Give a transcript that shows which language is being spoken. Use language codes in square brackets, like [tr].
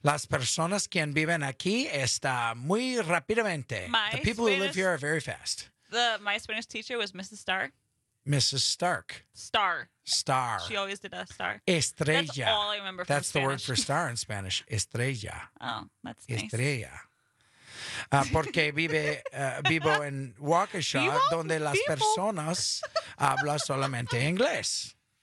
[es] Las personas quien viven aquí está muy rápidamente. [en] The people Spanish, who live here are very fast. My Spanish teacher was Mrs. Stark. Mrs. Stark. Star. Star. She always did a star. [es] Estrella. [en] That's all I remember from That's Spanish. The word for star in Spanish. [es] Estrella. [en] Oh, that's [es] Estrella. [en] Nice. [es] Estrella. Porque vivo en Waukesha, donde las [en] people. [es] Personas hablan solamente inglés.